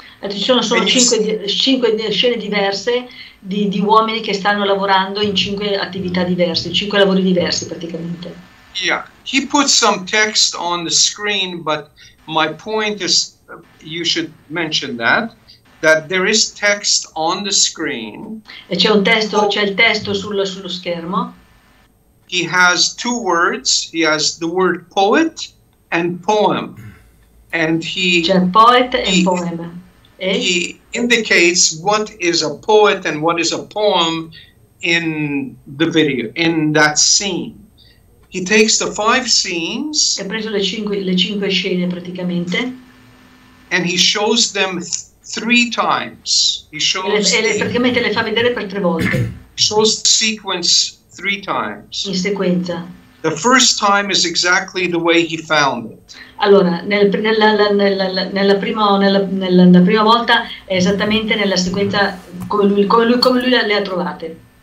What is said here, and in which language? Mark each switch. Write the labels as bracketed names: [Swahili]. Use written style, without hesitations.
[Italian] Ci sono cinque scene diverse di uomini che stanno lavorando in cinque attività diverse, cinque lavori diversi praticamente. [English] Yeah, he put some text on the screen, but my point is, you should mention that there is text on the screen. [Italian] E c'è un testo, c'è il testo sullo schermo. [English] He has two words. He has the word poet and poem, and he. [Italian] C'è poet e poem. [English] He indicates what is a poet and what is a poem in the video, in that scene. He takes the five scenes. [Italian] Ha preso le cinque scene praticamente. [English] And he shows them three times. He shows. [Italian] Praticamente le fa vedere per tre volte. [English] Shows the sequence three times. [Italian] In sequenza. [English] The first time is exactly the way he found it. [Italian] Allora, nella prima volta è esattamente nella sequenza come lui le ha trovate.